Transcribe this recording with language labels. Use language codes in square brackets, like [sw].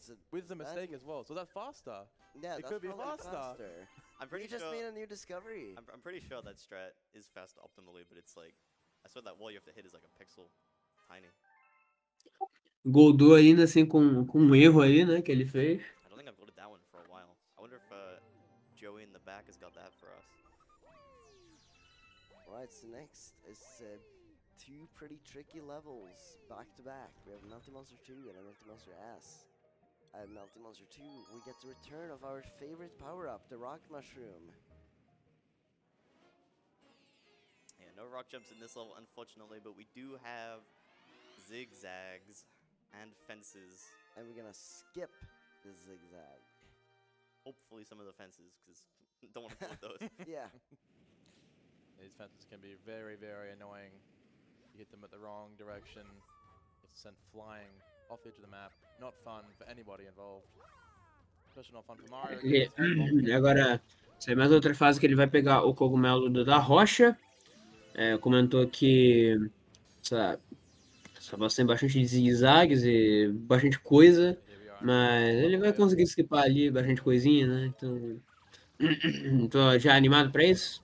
[en] With the mistake as well, so that faster. Yeah, it could be faster. I'm pretty you just sure made a new discovery. I'm pretty sure that strat is fast optimally, but it's like I swear that wall you have to hit is like a pixel tiny. [pt] Goldou ainda assim com um erro aí, né, que ele fez. [en] I don't think I've goldou that one for a while. I wonder if Joey in the back has got that for us. Right, so next is two pretty tricky levels back to back. We have Multi Monster 2 and a Multi Monster S. At Multi Monster 2, we get the return of our favorite power-up, the Rock Mushroom. Yeah, no rock jumps in this level, unfortunately, but we do have zigzags and fences. And we're gonna skip the zigzag. Hopefully some of the fences, because don't want to pull those. Yeah. These fences can be very, very annoying. You hit them at the wrong direction, it's sent flying off the edge of the map. Not fun for anybody involved. Especially not fun for Mario. [pt] E agora, essa é mais outra fase que ele vai pegar o cogumelo da rocha. É, comentou que essa base tem bastante zigue-zagues e bastante coisa. Mas ele vai conseguir skipar ali bastante coisinha, né? Então, tô já animado pra isso.